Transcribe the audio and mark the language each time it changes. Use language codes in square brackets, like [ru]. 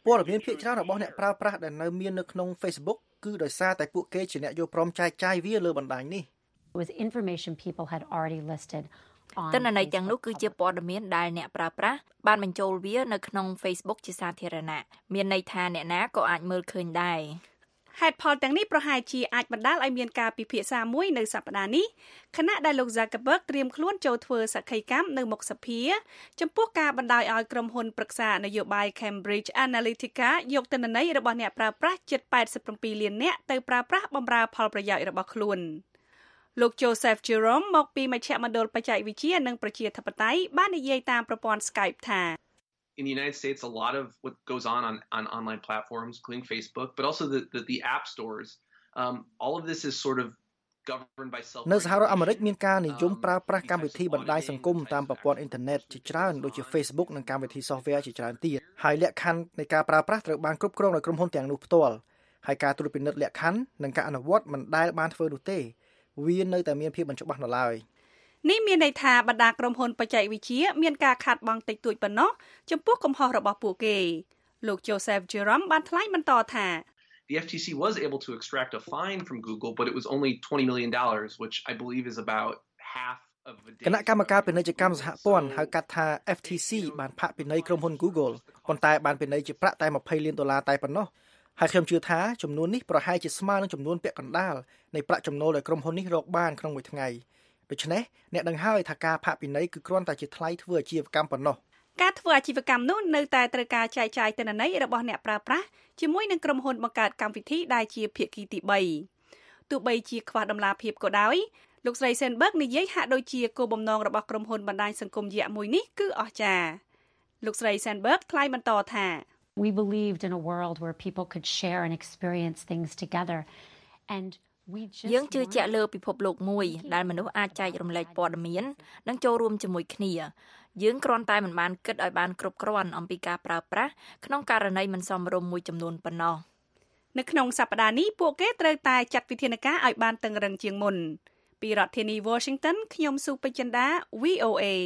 [km] ព័ត៌មានភាគច្រើនរបស់អ្នកប្រើប្រាស់ដែលនៅមាននៅក្នុង Facebook គឺដោយសារតែពួកគេជាអ្នកយកព្រមចែកចាយវាលើបណ្ដាញនេះ [en] was information people had already listed [km] ទិន្នន័យទាំងនោះគឺជាព័ត៌មានដែលអ្នកប្រើប្រាស់បានបញ្ចូលវានៅក្នុង Facebook ជាសាធារណៈមានន័យថាអ្នកណាក៏អាចមើលឃើញដែរ ហេតុផលទាំងនេះប្រហែលជាអាចបណ្ដាលឲ្យមានការពិភាក្សាមួយនៅសប្ដាហ៍នេះខណៈដែលលោក Zuckerberg ត្រៀមខ្លួនចូលធ្វើសក្ខីកម្មនៅមុខសភាចំពោះការបណ្ដាយឲ្យក្រុមហ៊ុនប្រឹក្សានយោបាយ Cambridge Analytica យកទិន្នន័យរបស់អ្នកប្រើប្រាស់ជិត87លាននាក់ទៅប្រើប្រាស់បម្រើផលប្រយោជន៍របស់ខ្លួនលោក Joseph Jerome មកពីមជ្ឈមណ្ឌលបច្ចេកវិទ្យានិងប្រជាធិបតេយ្យបាននិយាយតាមប្រព័ន្ធ Skype ថា [en] In the United States, a lot of what goes on online platforms, including Facebook, but also the app stores, all of this is sort of governed by self-regulation. [km] នៅសហរដ្ឋអាមេរិកមានការនិយមប្រើប្រាស់កម្មវិធីបណ្ដាញសង្គមតាមប្រព័ន្ធអ៊ីនធឺណិតជាច្រើនដូចជា Facebook និងកម្មវិធី software ជាច្រើនទៀតហើយលក្ខខណ្ឌនៃការប្រើប្រាស់ត្រូវបានគ្រប់គ្រងដោយក្រុមហ៊ុនទាំងនោះផ្ទាល់ហើយការត្រួតពិនិត្យលក្ខខណ្ឌនិងការអនុវត្តមិនដែលបានធ្វើនោះទេវានៅតែមានភាពមិនច្បាស់នៅឡើយ នេះមានន័យថាបណ្ដាក្រុមហ៊ុនបច្ចេកវិទ្យាមានការខាត់បងតិចតួចប៉ុណ្ណោះចំពោះកំហុសរបស់ពួកគេលោក Joseph Jerome បានថ្លែងបន្តថា [en] The FTC was able to extract a fine from Google but it was only $20 million which I believe is about half of a [km] គណៈកម្មការពិន័យកម្មសហព័ន្ធហៅកាត់ថា FTC បានផាកពិន័យក្រុមហ៊ុន Google ប៉ុន្តែបានពិន័យជាប្រាក់តែ20លានដុល្លារតែប៉ុណ្ណោះហើយខ្ញុំជឿថាចំនួននេះប្រហែលជាស្មើនឹងចំនួនពាក់កណ្ដាលនៃប្រាក់ចំណូលដែលក្រុមហ៊ុននេះរកបានក្នុងមួយថ្ងៃដូច្នេះអ្នកដឹងហើយថាការផាកពិន័យគឺគ្រាន់តែជាថ្លៃធ្វើអាជីវកម្មប៉ុណ្ណោះ ការធ្វើអាជីវកម្មនោះនៅតែត្រូវការចែកចាយទិន្នន័យរបស់អ្នកប្រើប្រាស់ជាមួយនឹងក្រុមហ៊ុនបង្កើតកម្មវិធីដែលជាភាគីទី3ទោះបីជាខ្វះដំណាភាពក៏ដោយលោកស្រី Sandberg និយាយហាក់ដូចជាគោលបំណងរបស់ក្រុមហ៊ុនបណ្ដាញសង្គមយក្សមួយនេះគឺអស្ចារ្យលោកស្រី Sandberg ថ្លែងបន្តថា [en] We believed in a world where people could share and experience things together and [km] យើងជឿជាក់លើពិភពលោកមួយដែលមនុស្សអាចចែករំលែកព័ត៌មាននិងចូលរួមជាមួយគ្នាយើងគ្រាន់តែមិនបានគិតឲ្យបានគ្រប់គ្រាន់អំពីការប្រើប្រាស់ក្នុងករណីមិនសមរម្យមួយចំនួនប៉ុណ្ណោះ នៅក្នុងសប្តាហ៍នេះពួកគេត្រូវតែចាត់វិធានការឲ្យបានតឹងរឹងជាងមុនពីរដ្ឋធានី Washington ខ្ញុំស៊ូពេជ្រចិន្តា VOA